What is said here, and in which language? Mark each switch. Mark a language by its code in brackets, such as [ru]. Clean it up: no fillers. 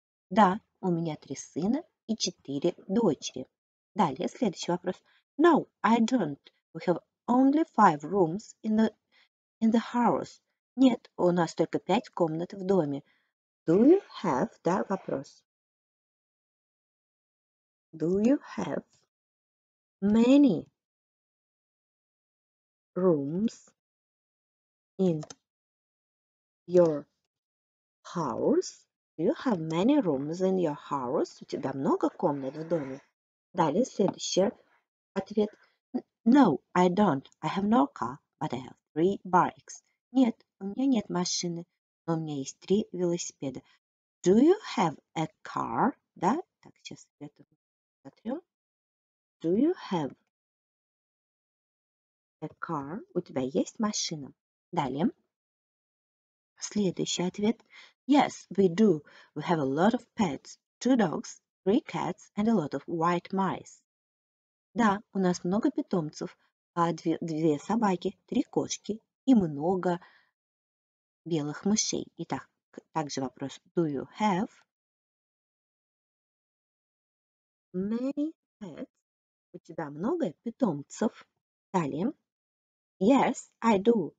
[ru] Да, у меня 3 сына и 4 дочери. Далее, следующий вопрос. [en] No, I don't. We have only 5 rooms in the house. [ru] Нет, у нас только 5 комнат в доме. [en] Do you have, [ru] да, вопрос. [en] Do you have many rooms in your house? Do you have many rooms in your house? [ru] У тебя много комнат в доме? Далее следующий ответ. [en] No, I don't. I have no car, but I have 3 bikes. [ru] Нет, у меня нет машины, но у меня есть 3 велосипеда. [en] Do you have a car? [ru] Да, так, сейчас ответ. [en] Do you have a car? [ru] У тебя есть машина? Далее. Следующий ответ. [en] Yes, we do. We have a lot of pets. 2 dogs, 3 cats and a lot of white mice. [ru] Да, у нас много питомцев. 2 собаки, 3 кошки и много белых мышей. Итак, также вопрос. [en] Do you have many pets? [ru] У тебя много питомцев? Далее. [en] Yes, I do.